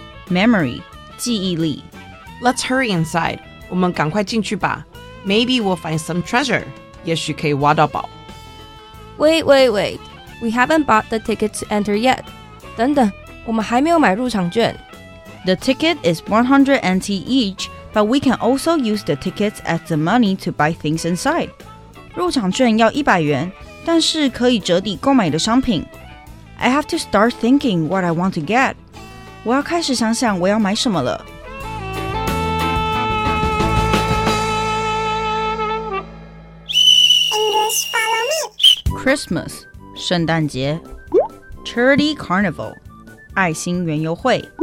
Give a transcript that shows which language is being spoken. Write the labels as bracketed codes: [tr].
[zh] Memory, 记忆力。 [en] Let's hurry inside, [zh] 我们赶快进去吧。 [en] Maybe we'll find some treasure, [zh] 也许可以挖到宝。 [en] Wait, wait, wait, we haven't bought the ticket to enter yet. [zh] 等等，我们还没有买入场券。 [en] The ticket is 100 NT each, but we can also use the tickets as the money to buy things inside. [zh] 入场券要100元,但是可以折抵购买的商品。 [en] I have to start thinking what I want to get. [zh] 我要开始想想我要买什么了。 [en] English follow me. [zh] Christmas, 圣诞节。Charity carnival, 爱心园游会。